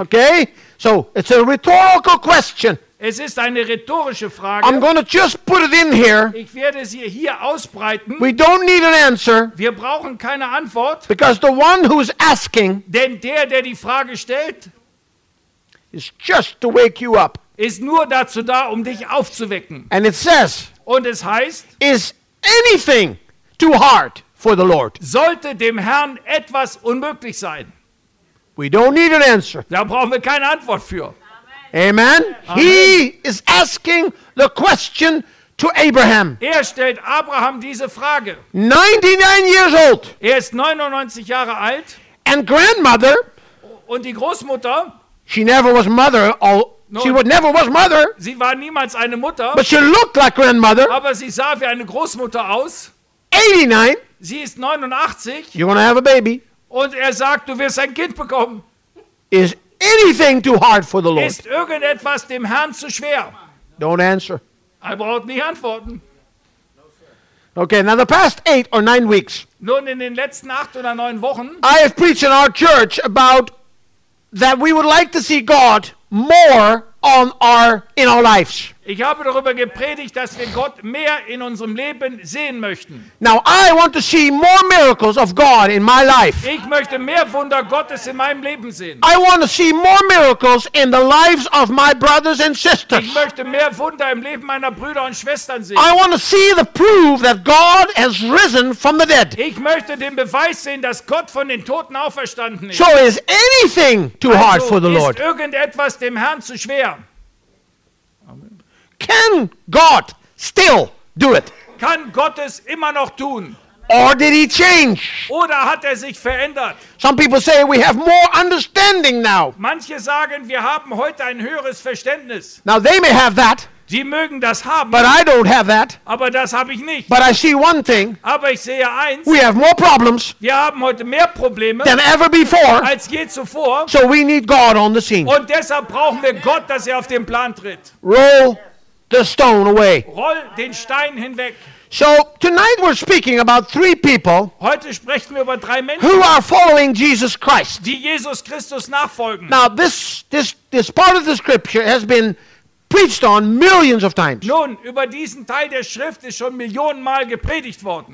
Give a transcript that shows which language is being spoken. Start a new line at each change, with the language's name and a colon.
English: Okay, so it's a rhetorical question.
German: Es ist eine rhetorische Frage.
English: I'm going to just put it in here.
German: Ich werde sie hier ausbreiten.
English: We don't need an answer.
German: Wir brauchen keine Antwort.
English: Because the one who's asking.
German: Denn der, der die Frage stellt.
English: Is just to wake you up.
German: Ist nur dazu da, um dich aufzuwecken.
English: And it says,
German: und es heißt,
English: is anything too hard for the Lord?
German: Sollte dem Herrn etwas unmöglich sein?
English: We don't need an answer.
German: Da brauchen wir keine Antwort für.
English: Amen. Amen. He is asking the question to Abraham.
German: Er stellt Abraham diese Frage.
English: 99 years old.
German: Er ist 99 Jahre alt.
English: And grandmother.
German: Und die Großmutter.
English: She never was mother. She never was mother.
German: Sie war niemals eine Mutter.
English: But she looked like grandmother.
German: Aber sie sah wie eine Großmutter aus.
English: 89.
German: Sie ist 89.
English: You're gonna have a baby.
German: Und er sagt, du wirst ein Kind bekommen.
English: Is anything too hard for the Lord?
German: Ist irgendetwas dem Herrn zu schwer?
English: Don't answer.
German: Er braucht nicht antworten.
English: Okay, now the past 8 or 9 weeks.
German: Nun in den letzten 8 oder 9 Wochen.
English: I have preached in our church about that we would like to see God more on our in our lives.
German: Ich habe darüber gepredigt, dass wir Gott mehr in unserem Leben sehen möchten.
English: Now I want to see more miracles of God in my life.
German: Ich möchte mehr Wunder Gottes in meinem Leben sehen.
English: I want to see more miracles in the lives of my brothers and sisters.
German: Ich möchte mehr Wunder im Leben meiner Brüder und Schwestern sehen.
English: I want to see the proof that God has risen from the dead.
German: Ich möchte den Beweis sehen, dass Gott von den Toten auferstanden ist.
English: So is anything too hard for the Lord?
German: Ist irgendetwas dem Herrn zu schwer?
English: Can God still do it?
German: Kann Gott es immer noch tun?
English: Or did he change?
German: Oder hat er sich verändert?
English: Some people say we have more understanding now.
German: Manche sagen, wir haben heute ein höheres Verständnis.
English: Now they may have that.
German: Sie mögen das haben.
English: But I don't have that.
German: Aber das habe ich nicht.
English: But I see one thing.
German: Aber ich sehe eins.
English: We have more problems.
German: Wir haben heute mehr Probleme.
English: Than ever before.
German: Als je zuvor.
English: So we need God on the scene.
German: Und deshalb brauchen wir Gott, dass er auf den Plan tritt.
English: Roll the stone away.
German: Roll den Stein hinweg.
English: So tonight we're speaking about three people.
German: Heute sprechen wir über drei Menschen.
English: Who are following Jesus Christ?
German: Die Jesus Christus nachfolgen.
English: Now this part of the scripture has been preached on millions of times.
German: Nun, über diesen Teil der Schrift ist schon millionenmal gepredigt worden.